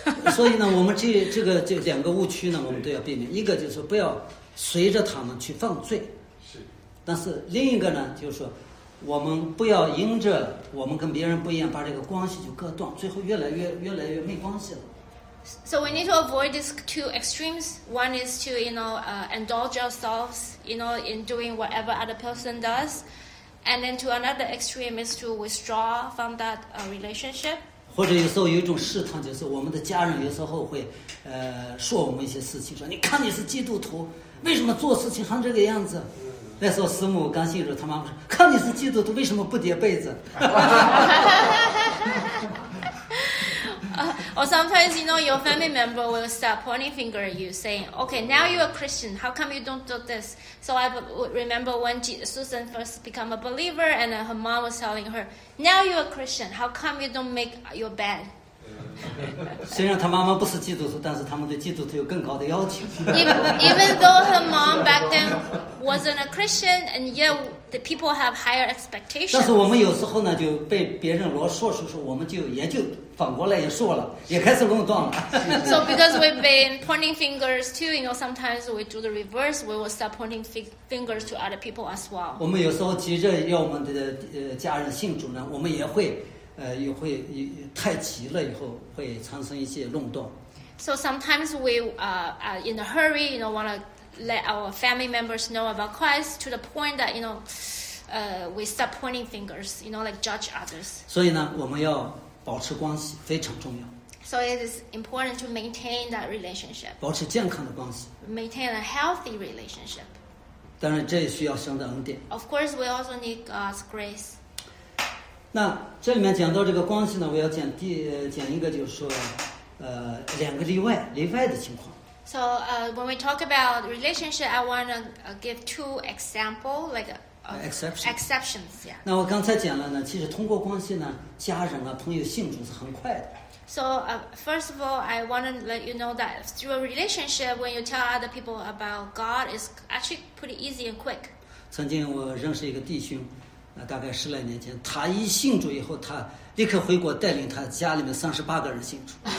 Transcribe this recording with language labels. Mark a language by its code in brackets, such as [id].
[zh] 所以呢，我们这两个误区呢，我们都要避免。一个就是不要随着他们去犯罪，是。但是另一个呢，就是说我们不要因着我们跟别人不一样，把这个关系就割断，最后越来越没关系了。 [en] So we need to avoid these two extremes. One is to, you know, indulge ourselves, you know, in doing whatever other person does. And then to another extreme is to withdraw from that relationship. [zh] 或者有时候有一种试探，就是我们的家人有时候会说我们一些事情，说你看你是基督徒，为什么做事情还这个样子？那时候师母刚信主，他妈妈说，看你是基督徒，为什么不叠被子？ [en] Or sometimes, you know, your family member will start pointing finger at you, saying, okay, now you're a Christian, how come you don't do this? So I remember when Susan first became a believer, and her mom was telling her, now you're a Christian, how come you don't make your bed? [zh] 虽然她妈妈不是基督徒，但是他们对基督徒有更高的要求。 [en] Even though her mom back then wasn't a Christian, and yet the people have higher expectations. [zh] 但是我们有时候呢，就被别人罗说说说，我们就也就反过来也说了，也开始论断了。 [en] So because we've been pointing fingers too, you know, sometimes we do the reverse. We will start pointing fingers to other people as well. [zh] 我们有时候急着要我们的家人信主呢，我们也会也会太急了，以后会产生一些论断。 [en] So sometimes we are in a hurry, you know, want to let our family members know about Christ to the point that, you know, we start pointing fingers, you know, like judge others. [zh] 所以呢，我们要保持关系非常重要。 [en] So it is important to maintain that relationship. [zh] 保持健康的关系。 [en] Maintain a healthy relationship. [zh] 当然，这也需要神的恩典。 [en] Of course, we also need God's grace. [zh] 那这里面讲到这个关系呢，我要讲第讲一个，就是说。两个例外，例外的情况。 [en] So, when we talk about relationship, I want to give two examples, like exceptions. Yeah. [zh] 那我刚才讲了呢，其实通过关系呢，家人啊、朋友信主是很快的。 [en] So, first of all, I want to let you know that through a relationship, when you tell other people about God, it's actually pretty easy and quick. [zh] 曾经我认识一个弟兄，大概十来年前，他一信主以后，他。立刻回国带领他家里面38个人信主。